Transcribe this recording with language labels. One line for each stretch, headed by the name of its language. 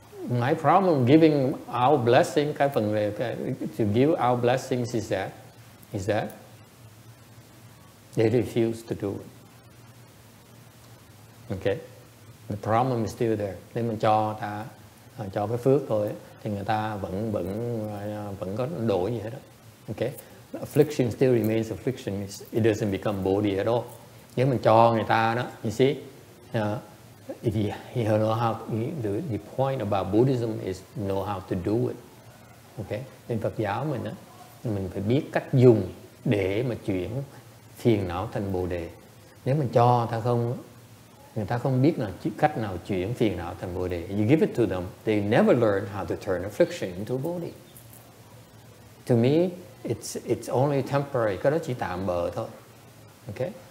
English: My problem giving our blessing,
Vietnamese: cái phần về
English: to give our blessings is that they refuse to do it. Okay, the problem is still there.
Vietnamese: Nếu mình cho cái phước thôi, thì người ta vẫn có đổi gì hết đó.
English: Okay, the affliction still remains affliction. It doesn't become bodhi at all.
Vietnamese: Nếu mình cho người ta đó,
English: you see. If you know how the point about Buddhism is know how to do it, okay?
Vietnamese: Nên Phật giáo mình á, mình phải biết cách dùng để mà chuyển phiền não thành bồ đề. Nếu mình cho người ta không, người ta không biết là cách nào chuyển phiền não thành bồ đề.
English: You give it to them, they never learn how to turn affliction into bodhi. To me, it's only temporary.
Vietnamese: Cái đó chỉ tạm bợ thôi, okay?